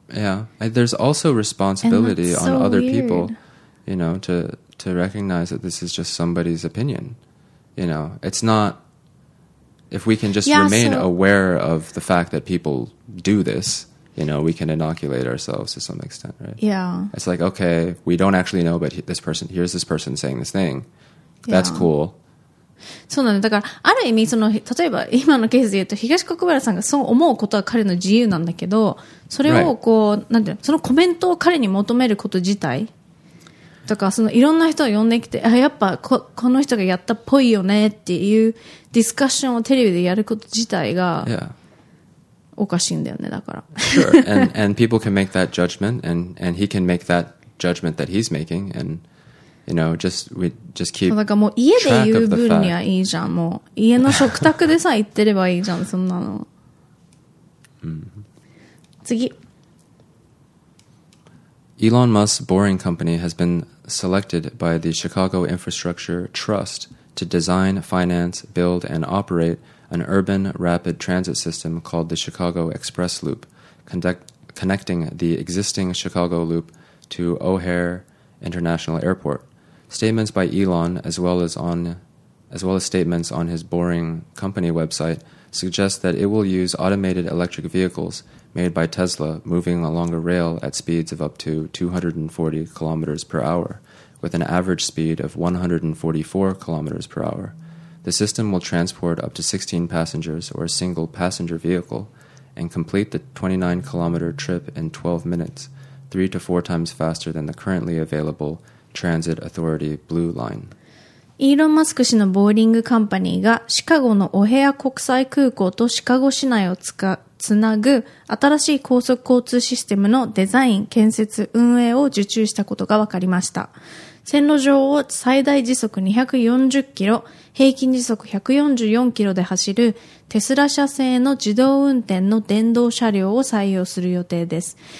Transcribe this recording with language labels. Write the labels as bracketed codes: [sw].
[en] Yeah, there's also responsibility on other people, you know, to recognize that this is just somebody's opinion. You know, it's not. If we can just remain aware of the fact that people do this, you know, we can inoculate ourselves to some extent, right? Yeah. It's like, okay, we don't actually know, but here's this person saying this thing. That's cool. [ja] そうなんだ。だから、ある意味、その、例えば、今のケースで言うと、東国原さんがそう思うことは彼の自由なんだけど、それをこう、 [en] right. [ja] なんていうの、そのコメントを彼に求めること自体とか、そのいろんな人を呼んできて、やっぱこの人がやったっぽいよねっていうディスカッションをテレビでやること自体がおかしいんだよね、だから。 [en] Sure. And people can make that judgment, and he can make that judgment that he's making, and you know, just keep. [ja] だからもう家で言う分にはいいじゃん、もう家の食卓でさ言ってればいいじゃん、そんなの。次。 [en] Elon Musk's Boring Company has been selected by the Chicago Infrastructure Trust to design, finance, build, and operate an urban rapid transit system called the Chicago Express Loop, connecting the existing Chicago Loop to O'Hare International Airport. Statements by Elon, as well as statements on his Boring Company website, suggest that it will use automated electric vehicles made by Tesla moving along a rail at speeds of up to 240 kilometers per hour, with an average speed of 144 kilometers per hour. The system will transport up to 16 passengers or a single passenger vehicle and complete the 29-kilometer trip in 12 minutes, 3 to 4 times faster than the currently available Transit Authority Blue Line. [ja] イーロン・マスク氏のボーリングカンパニーがシカゴのオヘア国際空港とシカゴ市内をつなぐ新しい高速交通システムのデザイン、建設、運営を受注したことが分かりました。線路上を最大時速240キロ、平均時速144キロで走るテスラ社製の自動運転の電動車両を採用する予定です。